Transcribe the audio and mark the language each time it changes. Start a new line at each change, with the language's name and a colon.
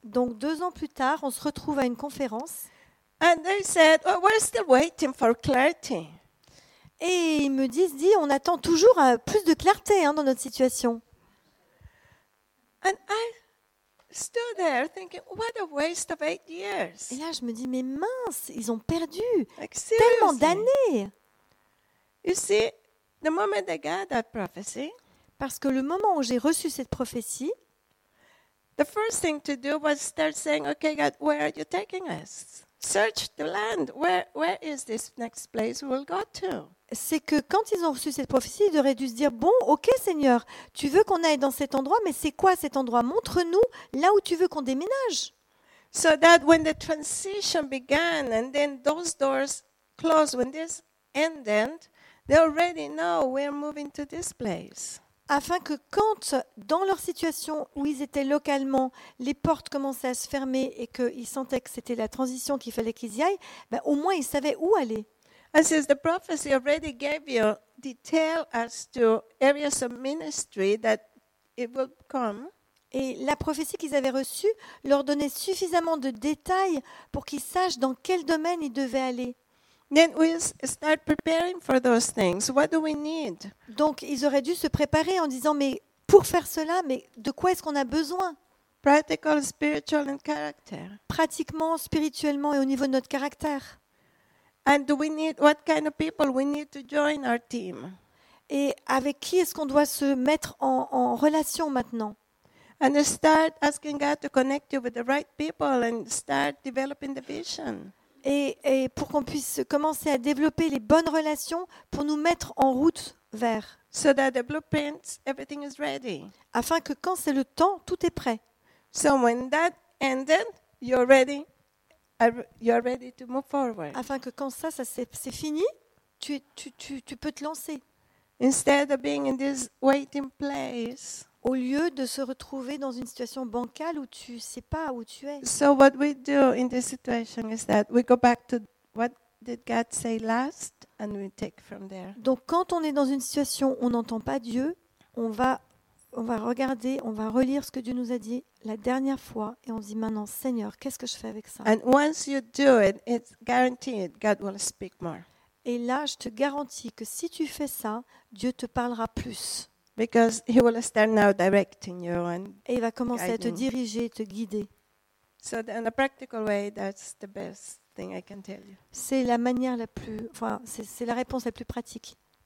French: Donc 2 ans plus tard, on se retrouve à une conférence.
English: And they said, well, we're still waiting for clarity.
French: Et ils me disent, dis, on attend toujours plus de clarté hein, dans notre situation.
English: And I stood there thinking, what a waste of 8 years.
French: Et là, je me dis, mais mince, ils ont perdu tellement d'années.
English: You see, the moment they got that prophecy,
French: parce que le moment où j'ai reçu cette prophétie,
English: the first thing to do was start saying, okay, God, where are you taking us? Search the land. Where is this next place we'll go to?
French: C'est que quand ils ont reçu cette prophétie, ils auraient dû se dire, bon, ok Seigneur, tu veux qu'on aille dans cet endroit, mais c'est quoi cet endroit? Montre-nous là où tu veux qu'on déménage.
English: So that when the transition began and then those doors closed, when this ended, they already know we're moving to this place.
French: Afin que quand, dans leur situation où ils étaient localement, les portes commençaient à se fermer et qu'ils sentaient que c'était la transition qu'il fallait qu'ils y aillent, ben, au moins ils savaient où aller.
English: And since the prophecy already gave you detail as to areas of ministry that it will come.
French: Et la prophétie qu'ils avaient reçue leur donnait suffisamment de détails pour qu'ils sachent dans quel domaine ils devaient aller.
English: Then we start preparing for those things. What do we need?
French: Donc ils auraient dû se préparer en disant mais pour faire cela, mais de quoi est-ce qu'on a besoin?
English: Practical, spiritual and character.
French: Pratiquement, spirituellement et au niveau de notre caractère.
English: And do we need what kind of people we need to join our team?
French: Et avec qui est-ce qu'on doit se mettre en relation maintenant?
English: And start asking God to connect you with the right people and start developing the vision.
French: Et pour qu'on puisse commencer à développer les bonnes relations pour nous mettre en route vers.
English: So that the blueprint, everything is ready.
French: Afin que quand c'est le temps, tout est prêt.
English: So when that ended, you're ready. You are ready to move forward.
French: Afin que quand ça c'est fini, tu peux te lancer.
English: Instead of being in this waiting place,
French: au lieu de se retrouver dans une situation bancale où tu sais pas où tu es.
English: So what we do in this situation is that we go back to what did God say last and we take from there.
French: Donc quand on est dans une situation où on n'entend pas Dieu, on va regarder, on va relire ce que Dieu nous a dit la dernière fois et on se dit maintenant, Seigneur, qu'est-ce que je fais avec ça?
English: And once you do it, it's guaranteed God will speak more.
French: Et là, je te garantis que si tu fais ça, Dieu te parlera plus.
English: Because he will start now directing you and
French: et il va commencer guiding. À te diriger, te guider.
English: So in a practical way, that's the best thing I can tell you.
French: C'est la manière la plus, enfin, c'est la réponse la plus pratique.